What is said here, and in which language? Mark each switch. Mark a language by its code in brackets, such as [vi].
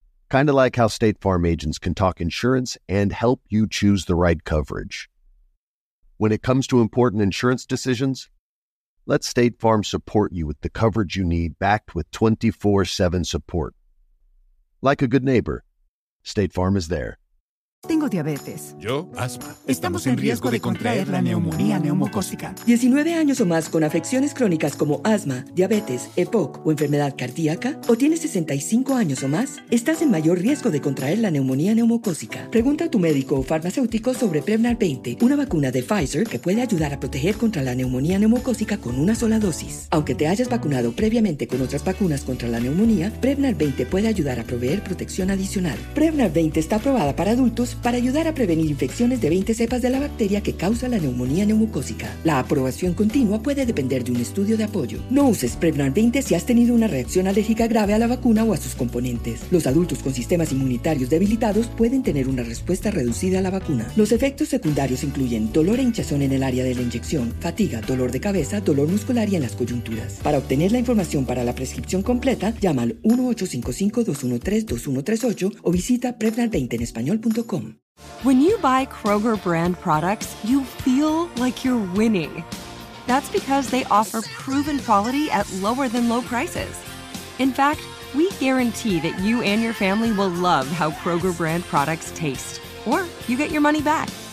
[en] Kind of like how State Farm agents can talk insurance and help you choose the right coverage. When it comes to important insurance decisions, let State Farm support you with the coverage you need backed with 24/7 support. Like a good neighbor, State Farm is there. [es] Tengo diabetes. Yo, asma. Estamos en riesgo de contraer la neumonía neumocócica. 19 años o más con afecciones crónicas como asma, diabetes, EPOC o enfermedad cardíaca, o tienes 65 años o más, estás en mayor riesgo de contraer la neumonía neumocócica. Pregunta a tu médico o farmacéutico sobre Prevnar 20, una vacuna de Pfizer que puede ayudar a proteger contra la neumonía neumocócica con una sola dosis. Aunque te hayas vacunado previamente con otras vacunas contra la neumonía, Prevnar 20 puede ayudar a proveer protección adicional. Prevnar 20 está aprobada para adultos para ayudar a prevenir infecciones de 20 cepas de la bacteria que causa la neumonía neumocócica. La aprobación continua puede depender de un estudio de apoyo. No uses Prevnar 20 si has tenido una reacción alérgica grave a la vacuna o a sus componentes. Los adultos con sistemas inmunitarios debilitados pueden tener una respuesta reducida a la vacuna. Los efectos secundarios incluyen dolor e hinchazón en el área de la inyección, fatiga, dolor de cabeza, dolor muscular y en las coyunturas. Para obtener la información para la prescripción completa, llama al 1-855-213-2138 o visita Prevnar20enespañol.com. [en] When you buy Kroger brand products, you feel like you're winning. That's because they offer proven quality at lower than low prices. In fact, we guarantee that you and your family will love how Kroger brand products taste, or you get your money back.